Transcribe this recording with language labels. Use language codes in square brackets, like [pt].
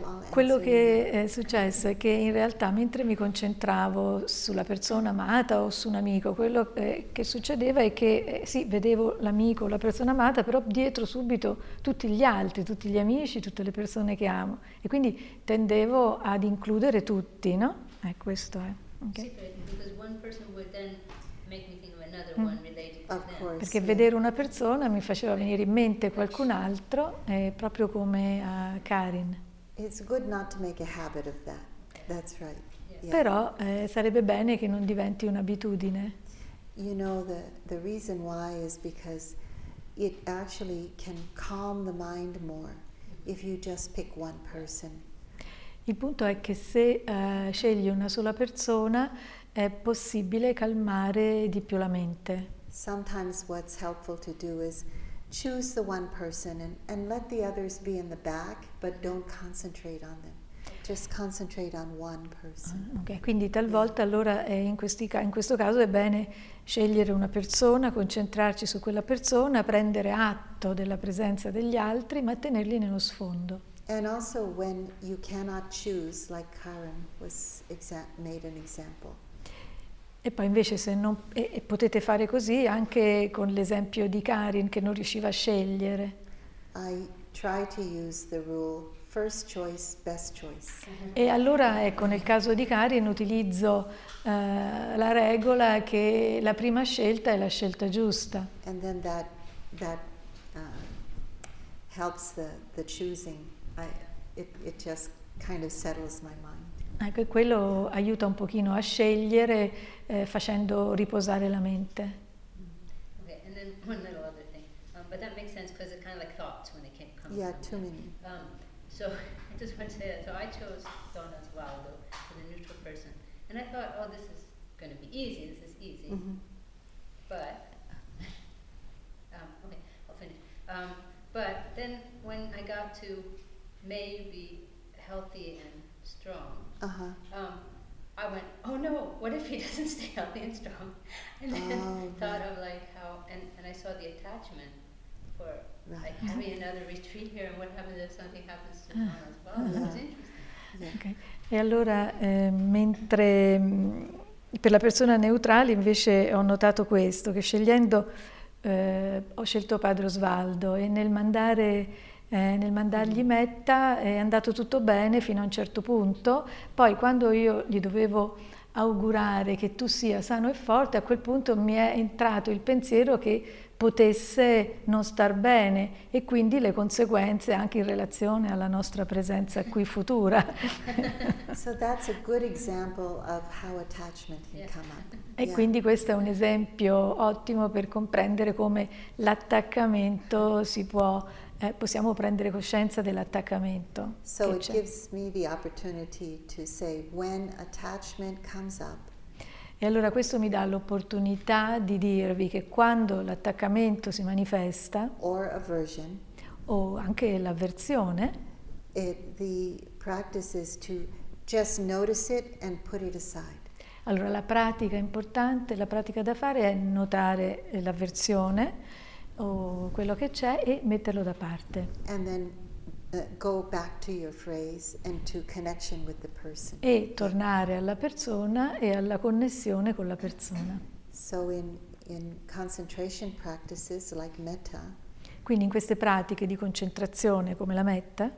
[it] Quello che è successo è che in realtà mentre mi concentravo sulla persona amata o su un amico, quello che succedeva è che sì, vedevo l'amico o la persona amata, però dietro subito tutti gli altri, tutti gli amici, tutte le persone che amo. E quindi tendevo ad includere tutti, no? Questo è. [en] Okay. [it] Sì, perché una persona potrebbe poi [en] make me think of another one related to them. Course, [it] perché vedere una persona mi faceva venire in mente qualcun altro, proprio come a Karin. [en] It's good not to make a habit of that. That's right. Yeah. [it] Però sarebbe bene che non diventi un'abitudine. [en] You know, the reason why is because it actually can calm the mind more if you just pick one person. [it] Il punto è che se scegli una sola persona è possibile calmare di più la mente. [en] Sometimes what's helpful to do is choose the one person and let the others be in the back, but don't concentrate on them. Just concentrate on one person. [it] Ok, quindi talvolta allora in questo caso è bene scegliere una persona, concentrarci su quella persona, prendere atto della presenza degli altri, ma tenerli nello sfondo. [en] And also when you cannot choose, like Karen was made an example. [it] E poi invece se non e potete fare così anche con l'esempio di Karin che non riusciva a scegliere. [en] I try to use the rule first choice, best choice. [it] E allora ecco, nel caso di Karin utilizzo la regola che la prima scelta è la scelta giusta. [en] And then that helps the choosing. It just kind of settles my mind. [it] Ecco, quello aiuta un pochino a scegliere facendo riposare la mente. [en] Okay, and then one little other thing. But that makes sense because it's kind of like thoughts when they came coming. Yeah, too many. So I just want to say that. So I chose Don Osvaldo for the neutral person. And I thought, oh, this is going to be easy, this is easy. Mm-hmm. But, okay, I'll finish. But then when I got to maybe healthy and strong, I went, oh no, what if he doesn't stay healthy and strong? And then thought of like how, and I saw the attachment for like having another retreat here, and what happens if something happens to him as well. It was interesting. Yeah. Okay. [it] E allora, mentre per la persona neutrale invece ho notato questo, che scegliendo ho scelto Padre Osvaldo e nel mandargli Metta è andato tutto bene fino a un certo punto, poi quando io gli dovevo augurare che tu sia sano e forte, a quel punto mi è entrato il pensiero che potesse non star bene e quindi le conseguenze anche in relazione alla nostra presenza qui futura. [en] So that's a good example of how attachment can come up. [it] E quindi questo è un esempio ottimo per comprendere come l'attaccamento si può, possiamo prendere coscienza dell'attaccamento. [en] So it gives me the opportunity to say when attachment comes up. [it] E allora questo mi dà l'opportunità di dirvi che quando l'attaccamento si manifesta, [en] or aversion, [it] o anche l'avversione, [en] the practice is to just notice it and put it aside. [it] Allora la pratica importante, la pratica da fare è notare l'avversione o quello che c'è e metterlo da parte. [en] And then go back to your phrase and to connection with the person. [it] E tornare alla persona e alla connessione con la persona. [en] So in concentration practices like metta. [it] Quindi in queste pratiche di concentrazione come la metta.